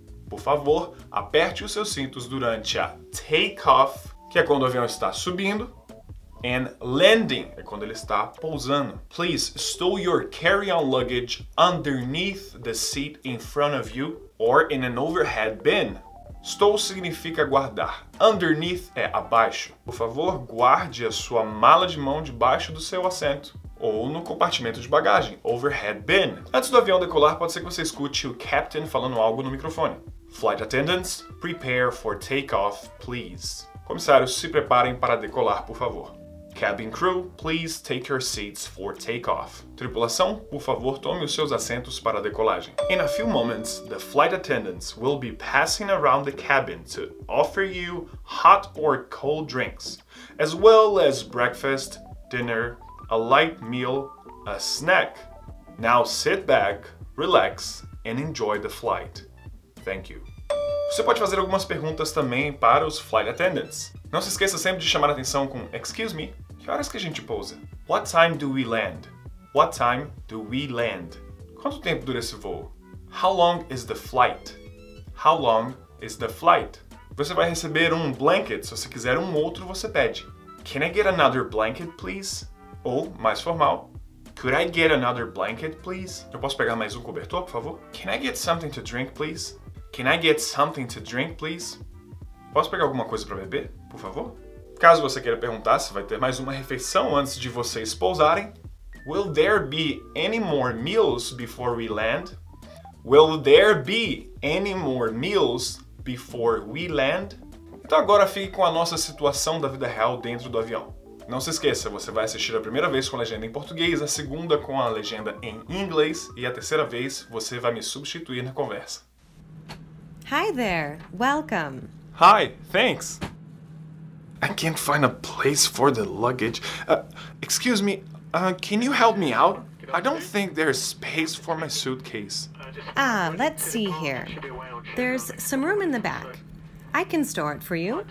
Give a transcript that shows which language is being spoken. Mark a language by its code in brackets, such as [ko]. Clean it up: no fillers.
[pt] Por favor, aperte os seus cintos durante a takeoff, que é quando o avião está subindo, [en] and landing, [pt] é quando ele está pousando. [en] Please, stow your carry-on luggage underneath the seat in front of you or in an overhead bin. [pt] Stow significa guardar. Underneath é abaixo. Por favor, guarde a sua mala de mão debaixo do seu assento ou no compartimento de bagagem, overhead bin. Antes do avião decolar, pode ser que você escute o captain falando algo no microfone. [en] Flight attendants, prepare for takeoff, please. [pt] Comissários, se preparem para decolar, por favor. [en] Cabin crew, please take your seats for takeoff. [pt] Tripulação, por favor, tome os seus assentos para a decolagem. [en] In a few moments, the flight attendants will be passing around the cabin to offer you hot or cold drinks, as well as breakfast, dinner, a light meal, a snack. Now sit back, relax, and enjoy the flight. Thank you. [pt] Você pode fazer algumas perguntas também para os flight attendants. Não se esqueça sempre de chamar a atenção com [en] excuse me. [pt] Que horas que a gente pousa? [en] What time do we land? What time do we land? [pt] Quanto tempo dura esse voo? [en] How long is the flight? How long is the flight? [pt] Você vai receber um blanket. Se você quiser um outro, você pede. [en] Can I get another blanket, please? [pt] Ou, mais formal, [en] could I get another blanket, please? [pt] Eu posso pegar mais um cobertor, por favor? [en] Can I get something to drink, please? Can I get something to drink, please? [pt] Posso pegar alguma coisa para beber, por favor? Caso você queira perguntar se vai ter mais uma refeição antes de vocês pousarem, [en] will there be any more meals before we land? Will there be any more meals before we land? [pt] Então agora fique com a nossa situação da vida real dentro do avião. Não se esqueça, você vai assistir a primeira vez com a legenda em português, a segunda com a legenda em inglês e a terceira vez você vai me substituir na conversa. [en] Hi there, welcome. Hi, thanks. I can't find a place for the luggage. Excuse me, can you help me out? I don't think there's space for my suitcase. Let's see here. There's some room in the back. I can store it for you.